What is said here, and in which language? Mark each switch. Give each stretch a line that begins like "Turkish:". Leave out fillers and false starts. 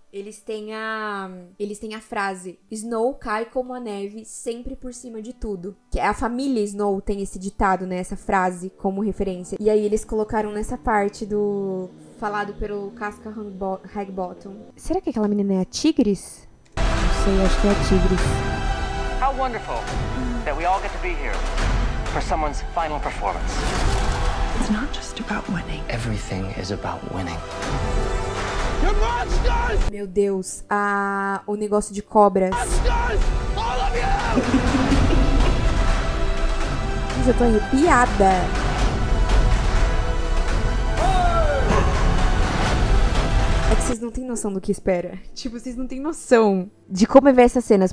Portuguese: Eles têm a frase: Snow cai como a neve, sempre por cima de tudo. Que a família Snow tem esse ditado, né? Essa frase como referência. E aí eles colocaram nessa parte do... falado pelo Casca Hagbottom. Será que aquela menina é a Tigris? Não sei, acho que é a Tigris.
English: How wonderful that we all get to be here for someone's final performance. It's not just about winning. Everything is about winning.
Portuguese: Meu Deus, o negócio de cobras. Gente, eu tô arrepiada. É que vocês não têm noção do que espera. Tipo, vocês não têm noção de como é ver essas cenas.